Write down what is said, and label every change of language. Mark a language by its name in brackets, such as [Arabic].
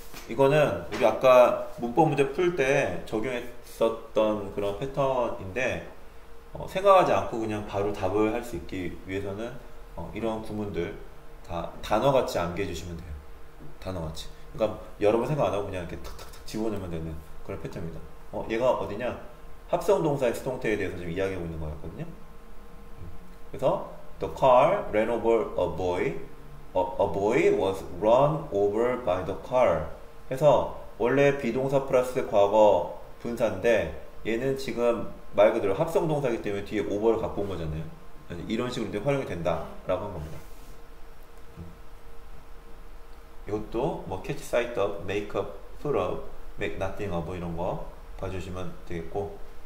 [Korean] 이거는 우리 아까 문법 문제 풀때 적용했었던 그런 패턴인데 생각하지 않고 그냥 바로 답을 할수 있기 위해서는 이런 구문들 다 단어같이 암기해 주시면 돼요. 단어같이. 그러니까 여러 번 생각 안 하고 그냥 이렇게 탁탁탁 집어넣으면 되는 그런 패턴입니다. 얘가 어디냐? 합성 동사의 수동태에 대해서 지금 이야기하고 있는 거였거든요. [English] 그래서 the car ran over a boy was run over by the car. [Korean] 해서 원래 비동사 플러스 과거 분사인데 얘는 지금 말 그대로 합성 동사이기 때문에 뒤에 over를 갖고 온 거잖아요. 이런 식으로 이제 활용이 된다라고 한 겁니다. 이것도 뭐 catch sight of, make a fool of, make nothing of 이런 거 봐주시면 되겠고.